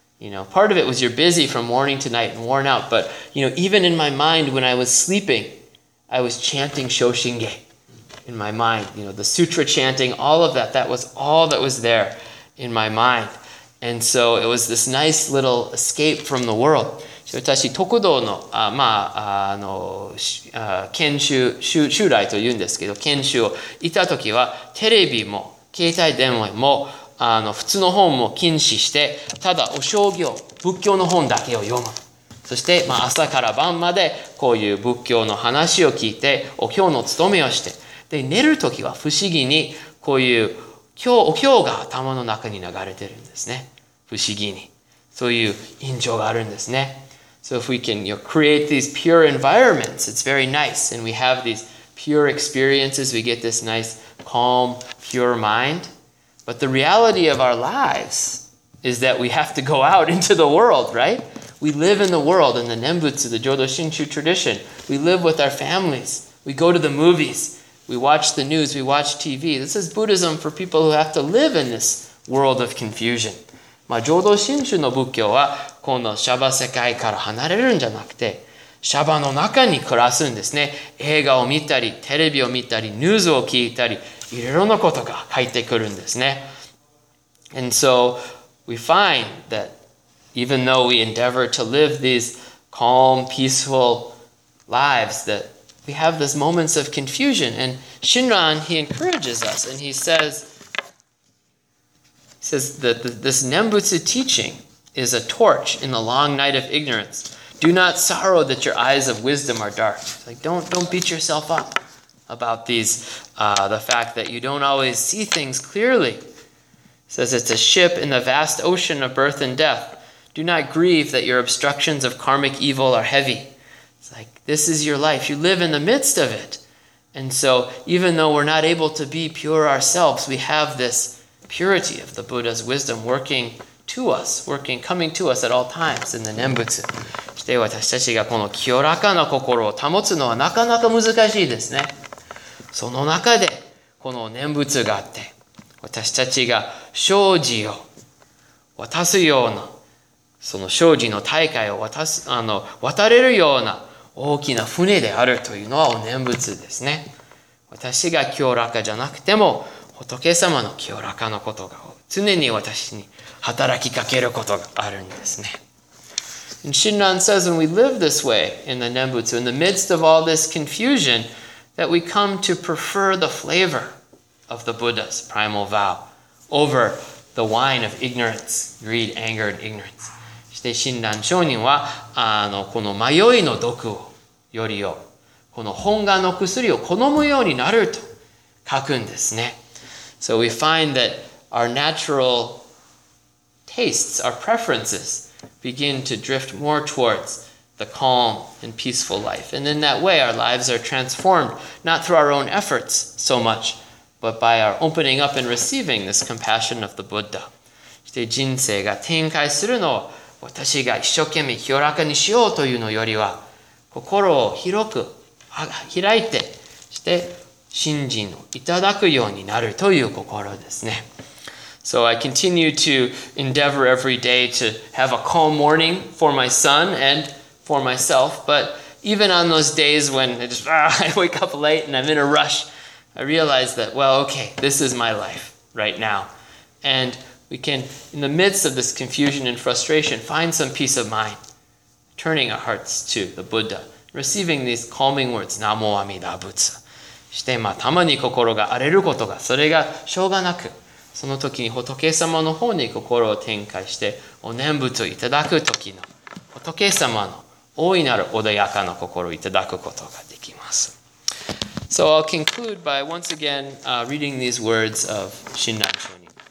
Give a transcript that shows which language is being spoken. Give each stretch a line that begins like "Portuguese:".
English: You know, part of it was you're busy from morning to night and worn out. But, you know, even in my mind when I was sleeping, I was chanting Shoshinge in my mind. You know, the sutra chanting, all of that, that was all that was there in my mind. And so it was this nice little escape from the world.
Japanese: 私、tokudo の、まあ、あの、研修、修来と言うんですけど、研修をいた時はテレビも、携帯電話も、あの、普通の本も禁止して、ただお正行、仏教の本だけを読む。そして、まあ、朝から晩まで、こういう仏教の話を聞いて、お経の務めをして。で、寝るときは不思議に、こういう、今日、お経が頭の中に流れてるんですね。不思議に。そういう印象があるんですね。
English: So if we can, you know, create these pure environments, it's very nice. And we have these pure experiences, we get this nice calm, pure mind. But the reality of our lives is that we have to go out into the world, right? We live in the world in the Nembutsu, the Jodo Shinshu tradition. We live with our families. We go to the movies. We watch the news. We watch TV. This is Buddhism for people who have to live in this world of confusion。
Japanese: まあ、浄土真宗の仏教はこのシャバ世界から離れるんじゃなくてシャバの中に暮らすんですね。映画を見たりテレビを見たりニュースを聞いたりいろいろなことが入ってくるんですね。
English: And so we find that even though we endeavor to live these calm, peaceful lives, that we have these moments of confusion. And Shinran, he encourages us and he says that this Nembutsu teaching is a torch in the long night of ignorance. Do not sorrow that your eyes of wisdom are dark. Like, don't beat yourself up about these, the fact that you don't always see things clearly. He says it's a ship in the vast ocean of birth and death. Do not grieve that your obstructions of karmic evil are heavy. It's like, this is your life. You live in the midst of it. And so even though we're not able to be pure ourselves, we have this purity of the Buddha's wisdom working to us, working, coming to us at all times in the Nembutsu.
Japanese: して私たちがこの清らかな心を保つのはなかなか難しいですね。その中でこの念仏があって、私たちが生死を渡すような、その生死の大会を渡れるような大きな船であるというのはお念仏ですね。私が清らかじゃなくても、仏様の清らかなことが常に私に働きかけることがあるんですね。
English: And Shinran says, when we live this way in the Nembutsu, in the midst of all this confusion, that we come to prefer the flavor of the Buddha's primal vow over the wine of ignorance, greed, anger, and ignorance.
Japanese: して Shinran 上人は、この迷いの毒をよりよ、この本願の薬を好むようになると書くんですね。
English: So we find that our natural tastes, our preferences, begin to drift more towards the calm and peaceful life. And in that way, our lives are transformed, not through our own efforts so much, but by our opening up and receiving this compassion of the Buddha.
Japanese: して人生が展開するのを、私が一生懸命清らかにしようというのよりは、心を広く開いて、して信心をいただくようになるという心ですね。
English: So I continue to endeavor every day to have a calm morning for my son and for myself. But even on those days when I wake up late and I'm in a rush, I realize that, well, okay, this is my life right now. And we can, in the midst of this confusion and frustration, find some peace of mind, turning our hearts to the Buddha, receiving these calming words, Namo Amida Butsu.
Japanese: して、まあ、たまに心が荒れることが、それがしょうがなく、その時に仏様の方に心を展開してお念仏をいただく時の仏様の大いなる穏やかな心をいただくことができます。
English: So I'll conclude by once again reading these words of 親鸞上人。